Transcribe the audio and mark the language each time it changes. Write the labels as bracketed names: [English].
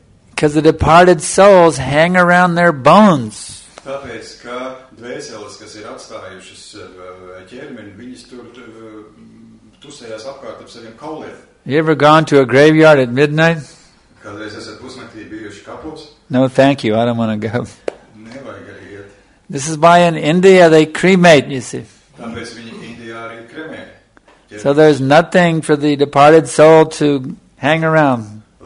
[English] Because the departed souls hang around their bones. [Latvian] Tāpēc, ka dvēseles, kas ir atstājušas ķermeni, viņas tur tusējās apkārt ap saviem kauliem. [English] You ever gone to a graveyard at midnight? [Latvian] Kādreiz esat pusnaktī bijuši kapos? [English] No, thank you, I don't want to go. [Latvian] Nevajag arī iet. [English] This is why in India they cremate, you see. [Latvian] Tāpēc viņi Indijā arī kremē. [English] So there's nothing for the departed soul to hang around.